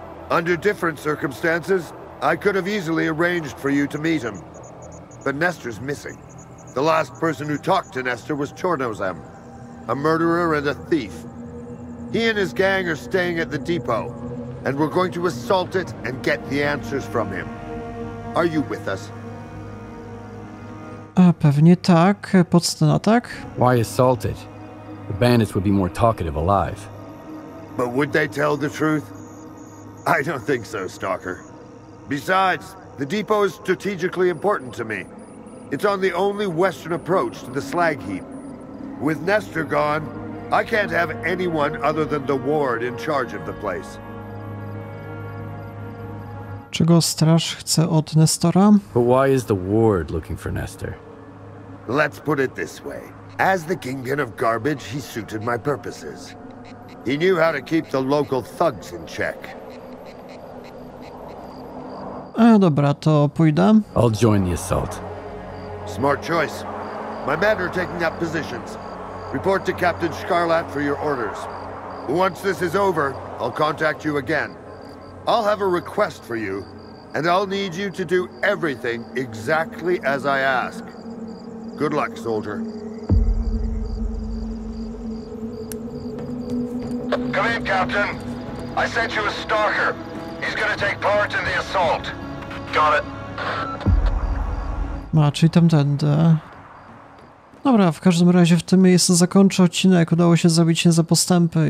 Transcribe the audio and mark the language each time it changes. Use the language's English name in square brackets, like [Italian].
[English] Under different circumstances, I could have easily arranged for you to meet him. But Nestor's missing. The last person who talked to Nestor was Chornozem, a murderer and a thief. He and his gang are staying at the depot, and we're going to assault it and get the answers from him. Are you with us? [Polish] A pewnie tak, pod sceną, tak? [English] Why assault it? The bandits would be more talkative alive. But would they tell the truth? I don't think so, Stalker. Besides, the depot is strategically important to me. It's on the only western approach to the slag heap. With Nestor gone, I can't have anyone other than the Ward in charge of the place. [Polish] Czego Straż chce od Nestora? [English] But why is the Ward looking for Nestor? Let's put it this way. As the Kingpin of Garbage, he suited my purposes. He knew how to keep the local thugs in check. [Polish] A dobra, to pójdę. [English] I'll join the assault. Smart choice. My men are taking up positions. Report to Captain Scarlat for your orders. Once this is over, I'll contact you again. I'll have a request for you, and I'll need you to do everything exactly as I ask. Good luck, soldier. Come in, Captain. I sent you a stalker. He's gonna take part in the assault. Got it. [Polish] A, czyli tamtędy. Dobra, w każdym razie w tym miejscu zakończę odcinek. Udało się zrobić nieco postępy.